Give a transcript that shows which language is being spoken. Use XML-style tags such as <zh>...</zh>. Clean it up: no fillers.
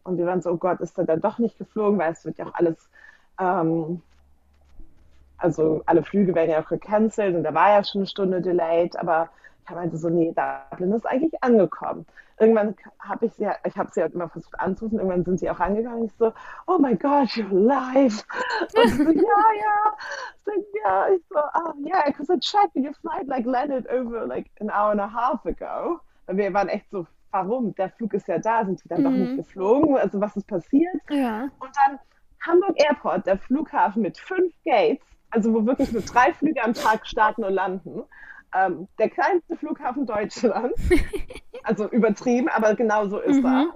<de>Und wir waren so, oh Gott, ist er dann doch nicht geflogen, weil es wird ja auch alles, also alle Flüge werden ja auch gecancelt und da war ja schon eine Stunde delayed, aber ich habe halt so, nee, Dublin ist eigentlich angekommen. Irgendwann habe ich sie, ich habe sie halt immer versucht anzurufen. Irgendwann sind sie auch rangegangen. Ich so,</de> <en>oh my God, you're live.</en> <de>Und sie so, ja. Ja, ich so,</de> <en>oh yeah, because I checked your flight like landed over like an hour and a half ago.</en> <de>Und wir waren echt so, warum? Der Flug ist ja da. Sind die dann doch nicht geflogen? Also was ist passiert? Und dann Hamburg Airport, der Flughafen mit fünf Gates, also wo wirklich nur drei Flüge am Tag starten und landen. Der kleinste Flughafen Deutschlands. Also übertrieben, aber genau so ist er.</de>